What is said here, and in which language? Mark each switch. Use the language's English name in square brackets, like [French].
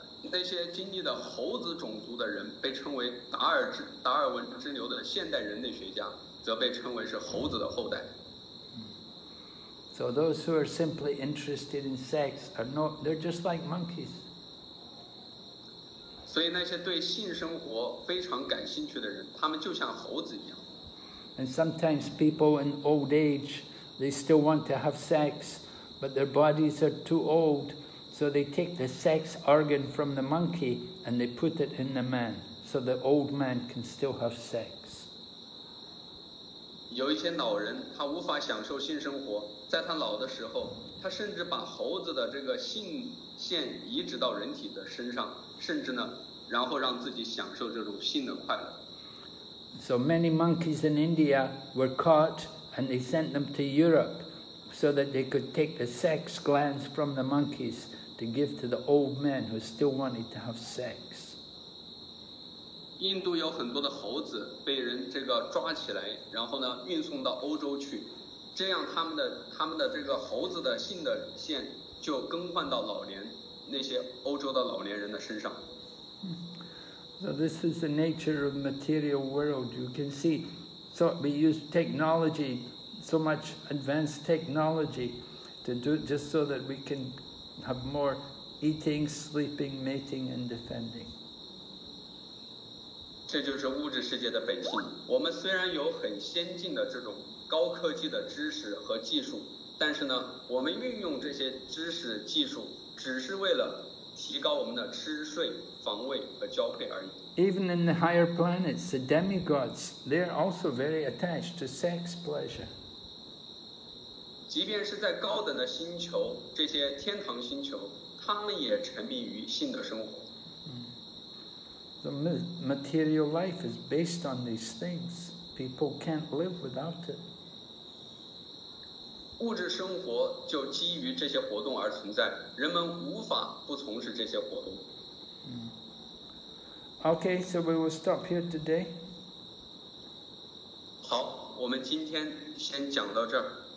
[Chinese] 那些经历的猴子种族的人被称为达尔文之流的现代人类学家，则被称为是猴子的后代。 [English] So those who are simply interested in sex are not—they're just like monkeys. [Chinese] 所以那些对性生活非常感兴趣的人，他们就像猴子一样。 [English] And sometimes people in old age, they still want to have sex, but their bodies are too old, so they take the sex organ from the monkey and they put it in the man, so the old man can still have sex. [Chinese] 有一些老人，他无法享受性生活，在他老的时候，他甚至把猴子的这个性腺移植到人体的身上，甚至呢，然后让自己享受这种性的快乐。 [English] So many monkeys in India were caught and they sent them to Europe so that they could take the sex glands from the monkeys to give to the old men who still wanted to have sex. [Chinese] 印度有很多的猴子被人这个抓起来，然后呢运送到欧洲去，这样他们的这个猴子的性的腺就更换到老年那些欧洲的老年人的身上。 [English] So this is the nature of material world. You can see, so we use technology, so much advanced technology, to do just so that we can have more eating, sleeping, mating, and defending. [Chinese] 这就是物质世界的本性。我们虽然有很先进的这种高科技的知识和技术，但是呢，我们运用这些知识技术，只是为了提高我们的吃睡防卫和交配而已。 [English] Even in the higher planets, the demigods, they are also very attached to sex pleasure. [Chinese] 即便是在高等的星球，这些天堂星球，他们也沉迷于性的生活。 [English] The material life is based on these things. People can't live without it. [Chinese] 物质生活就基于这些活动而存在，人们无法不从事这些活动。 [English] Okay, so we will stop here today. [Chinese] 好，我们今天先讲到这儿。